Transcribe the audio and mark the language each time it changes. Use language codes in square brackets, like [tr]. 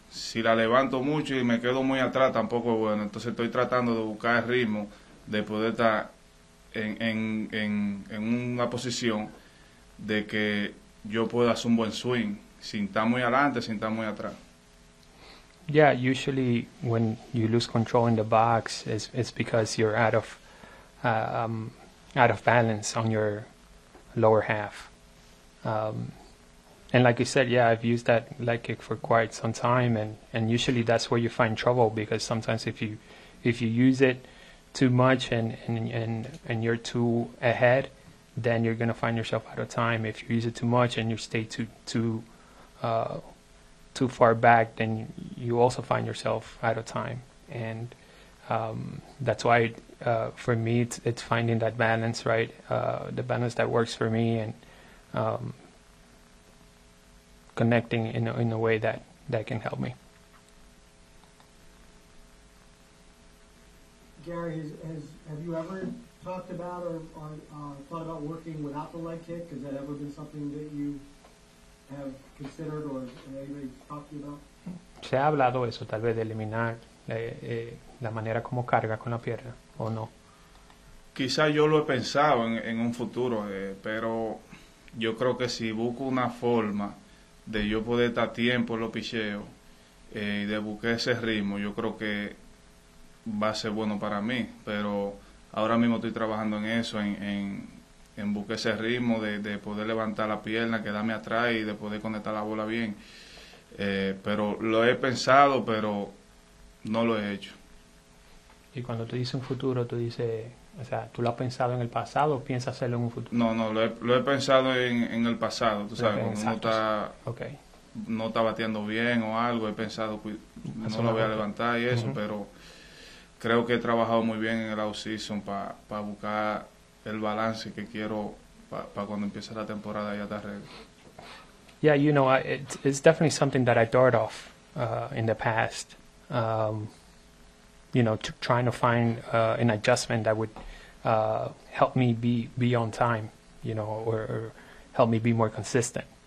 [es] Si la levanto mucho y me quedo muy atrás, tampoco es bueno. Entonces estoy tratando de buscar el ritmo de poder estar en una posición de que yo pueda hacer un buen swing, sin estar muy adelante, sin estar muy atrás. [en] Yeah, usually when you lose control in the box, it's because you're out of balance on your lower half. And like you said, yeah, I've used that leg kick for quite some time, and usually that's where you find trouble, because sometimes if you use it too much and you're too ahead, then you're gonna find yourself out of time. If you use it too much and you stay too far back, then you also find yourself out of time. And that's why for me it's finding that balance, right? The balance that works for me, and connecting in a way that can help me. Gary, have you ever talked about or thought about working without the leg kick? Has that ever been something that you have considered, or anybody talked to you about? [es] Se ha hablado eso, tal vez, de eliminar la manera como carga con la pierna, o no? Quizás yo lo he pensado en un futuro, pero yo creo que si busco una forma de yo poder estar tiempo en los picheos y de buscar ese ritmo, yo creo que va a ser bueno para mí. Pero ahora mismo estoy trabajando en eso, en buscar ese ritmo de poder levantar la pierna, quedarme atrás y de poder conectar la bola bien. Pero lo he pensado, pero no lo he hecho. Y cuando tú dices un futuro, tú dices, o sea, ¿tú lo has pensado en el pasado o piensas hacerlo en un futuro? No, lo he pensado en el pasado. Tú sabes, cuando uno está, okay, no está bateando bien o algo, he pensado, pues, no lo voy a levantar y eso, uh-huh. Pero creo que he trabajado muy bien en el off-season para buscar el balance que quiero para cuando empiece la temporada ya estar ready. [en] Yeah, you know, it's definitely something that I thought of in the past. You know, trying to find an adjustment that would help me be on time, you know, or help me be more consistent.